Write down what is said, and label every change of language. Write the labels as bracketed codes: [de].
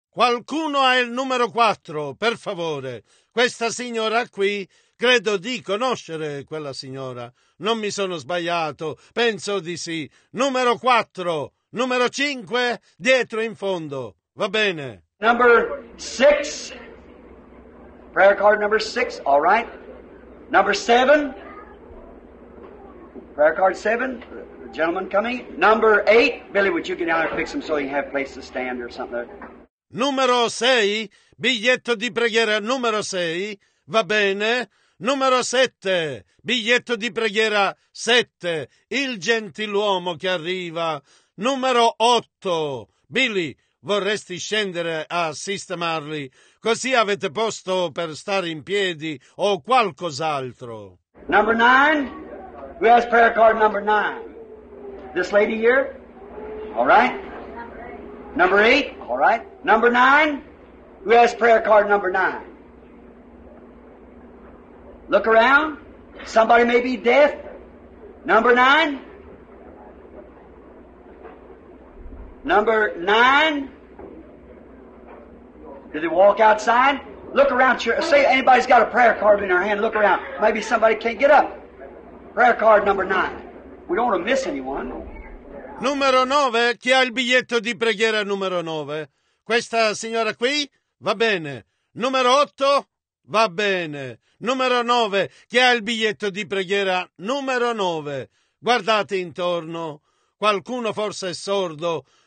[it] Qualcuno ha il numero 4, per favore. Questa signora qui, credo di conoscere quella signora. Non mi sono sbagliato, penso di sì. Numero 4, numero 5, dietro in fondo. Va bene. [en] Number 6, prayer card number 6, all right. Number 7, prayer card 7, the gentleman coming. Number 8, Billy, would you get down and fix him so he can have a place to stand or something? [it] Numero 6, biglietto di preghiera numero 6, va bene? Numero 7, biglietto di preghiera 7, il gentiluomo che arriva. Numero 8, Billy, vorresti scendere a sistemarli? Così avete posto per stare in piedi o qualcos'altro? [en] Number 9, we ask prayer card number 9. This lady here? All right. Number 8, all right. Number 9, we ask prayer card number 9. Look around. Somebody may be deaf. Number 9. Number 9. Did they walk outside? Look around. Say anybody's got a prayer card in their hand. Look around. Maybe somebody can't get up. Prayer card number 9. We don't want to miss anyone. [it] Numero 9. Chi ha il biglietto di preghiera numero 9? Questa signora qui? Va bene. Numero 8? Va bene. Numero 9, chi ha il biglietto di preghiera? Numero 9, guardate intorno, qualcuno forse è sordo.